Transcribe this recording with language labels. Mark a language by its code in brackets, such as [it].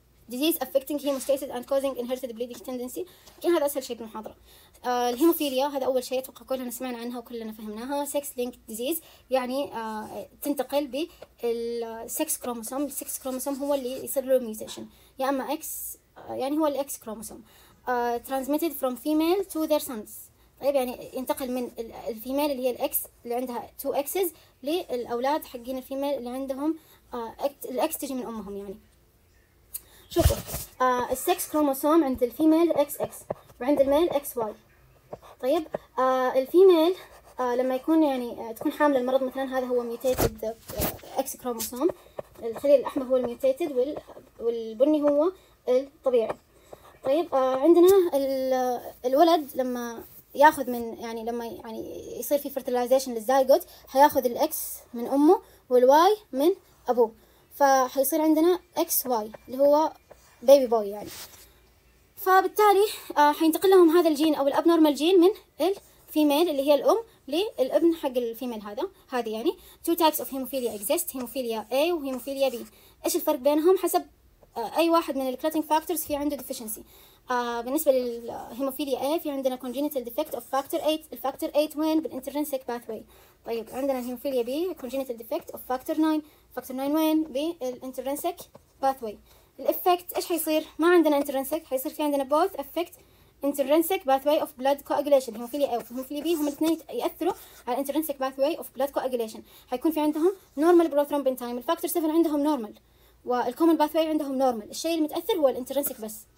[en] disease affecting hemostasis and causing inherited bleeding tendency. [ar] كان هذا أسهل شيء بالمحاضرة. الهيموفيليا هذا أول شيء أتوقع كلنا سمعنا عنها وكلنا فهمناها. [en] sex linked disease [ar] يعني تنتقل [en] بالsex chromosome. [ar] السex chromosome هو اللي يصير له mutation، يا أما X يعني هو الX chromosome. [en] transmitted from female to their sons. [ar] طيب يعني ينتقل من الفيميل اللي هي الX اللي عندها two X's للأولاد حقين الفيميل اللي عندهم الX تجي من أمهم. يعني شوفوا السكس كروموسوم عند الفيميل XX وعند الميل XY. طيب الفيميل لما يكون يعني تكون حاملة المرض مثلا، هذا هو ميوتيتد إكس كروموسوم، الخلية الأحمر هو الميوتيتد والبني هو الطبيعي. طيب عندنا الولد لما ياخذ من يعني لما يعني يصير في فرتلايزيشن للزايغوت، هياخذ الإكس من أمه والواي من أبوه، فحيصير عندنا XY اللي هو بيبي بوي يعني، فبالتالي حينتقل لهم هذا الجين او الابنورمال جين من الفيميل اللي هي الام للابن حق الفيميل هذا. هذه يعني [en] two types of hemophilia exist، hemophilia A وhemophilia B. [ar] ايش الفرق بينهم؟ حسب اي واحد من الكلوتينج فاكتورز في عنده deficiency. بالنسبه للهيموفيليا A في عندنا [en] congenital defect of factor 8، [ar] الفاكتور 8 وين؟ بالانترنسك باثوي. طيب عندنا الهيموفيليا B [en] congenital defect of factor 9، [ar] فاكتور 9 وين؟ بالانترنسك باثوي. الإفكت إيش حيصير؟ ما عندنا انترنسك، حيصير في عندنا [en] both effect intrinsic pathway of blood coagulation. [ar] هيموفيليا A وهيموفيليا B هم الاثنين يأثروا على [en] intrinsic pathway of blood coagulation. [ar] حيكون في عندهم [en] normal prothrombin time، [ar] الفاكتور 7 عندهم normal والcommon pathway عندهم normal، الشيء المتأثر هو الانترنسك بس.